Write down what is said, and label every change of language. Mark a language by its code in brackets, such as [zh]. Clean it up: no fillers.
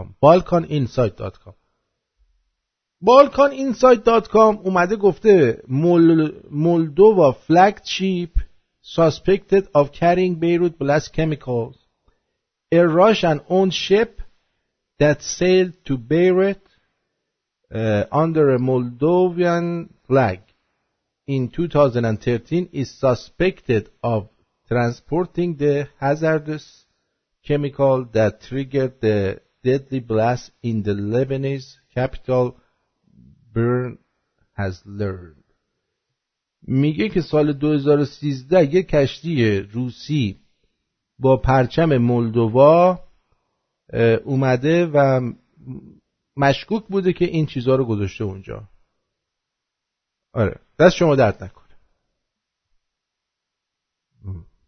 [en] balkaninsight.com [fa] اومده گفته [en] Moldova flag چیپ suspected of carrying Beirut blast chemicals. A Russian-owned ship that sailed to Beirut under a Moldovan flag in 2013 is suspected of transporting the hazardous chemical that triggered the deadly blast in the Lebanese capital, Bern has learned. [fa] میگه که سال 2013 یه کشتی روسی با پرچم مولدوا اومده و مشکوک بوده که این چیزها رو گذاشته اونجا. آره دست شما درد نکنه.